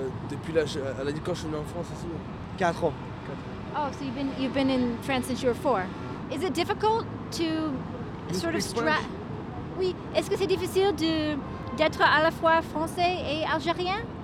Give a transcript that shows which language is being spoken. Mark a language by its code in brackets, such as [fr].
[fr] Depuis l'âge, elle a dit quand je suis né en France aussi. Quatre ans. [en] Oh, so you've been in France since you were four. Is it difficult to sort of stress? Oui. [fr] Est-ce que c'est difficile d'être à la fois français et algérien?